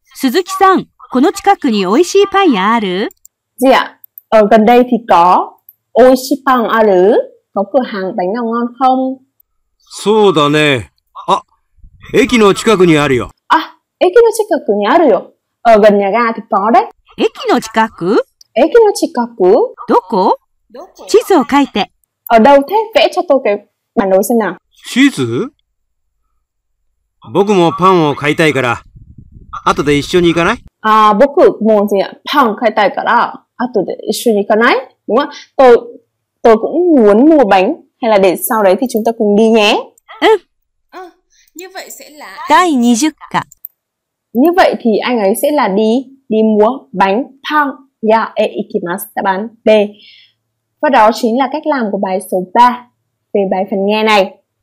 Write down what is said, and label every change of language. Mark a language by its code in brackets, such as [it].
[ja] Suzuki-san, この近くに美味しいパン屋ある? [vi] Gì ạ? Ở gần đây thì có. [ja] Oishi pan aru? [vi] Có cửa hàng bánh nào ngon không? [ja] そうだね。駅の近くにあるよ。あ、駅の近くにあるよ。 [vi] ở gần nhà ga thì có đấy。 [ja] 駅の近く？駅の近く？どこ？地図を書いて。 [vi] ở đâu thế? Vẽ cho tôi cái bản đồ xem nào。 [ja] 地図？僕もパンを買いたいから、後で一緒に行かない？あ、僕もじゃパン買いたいから、後で一緒に行かない？ [vi] đúng không? Tôi cũng muốn mua bánh, hay là để sau đấy thì chúng ta cùng đi nhé。 [ja] うん。第20課。 [vi] Như vậy thì anh ấy sẽ là đi mua bánh [ja] pan ya e ikimasu. [vi] Đáp án B. Và đó chính là cách làm của bài số 3 về bài phần nghe này.